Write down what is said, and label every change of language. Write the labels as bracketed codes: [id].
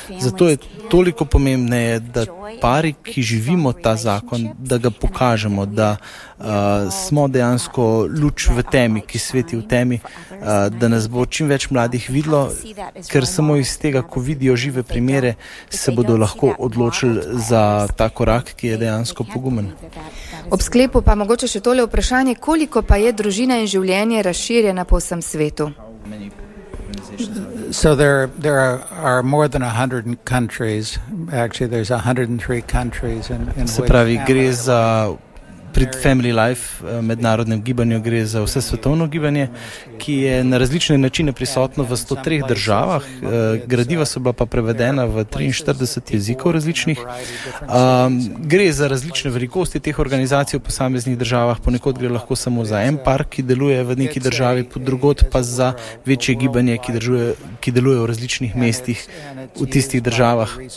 [sl] Zato je toliko pomembneje, da pari, ki živimo ta zakon, da ga pokažemo, da smo dejansko luč v temi, ki sveti v temi, da nas bo čim več mladih videlo, ker samo iz tega, ko vidijo žive primere, se bodo lahko odločili za ta korak, ki je dejansko pogumen. Ob sklepu pa mogoče še tole vprašanje, koliko pa je družina in življenje razširjena po vsem svetu? [en] So there are more than 100 countries. Actually there's 103 countries in [sl] se pravi, gre za pred Family Life mednarodnem gibanju, gre za vse svetovno gibanje, ki je na različne načine prisotno v 103 državah. Gradiva so bila pa prevedena v 43 jezikov različnih. Gre za različne velikosti teh organizacij v posameznih državah, ponekod gre lahko samo za en park, ki deluje v neki državi, pod drugod pa za večje gibanje, ki deluje v različnih mestih v tistih državah.